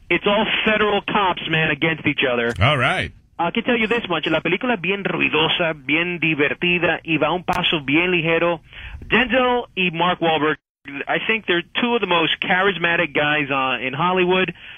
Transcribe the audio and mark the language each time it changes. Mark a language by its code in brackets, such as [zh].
[en] It's all federal cops, man, against each other. All right. I can tell you this much. [es] La película es bien ruidosa, bien divertida y va un paso bien ligero. [en] Denzel y Mark Wahlberg, I think they're two of the most charismatic guys in Hollywood.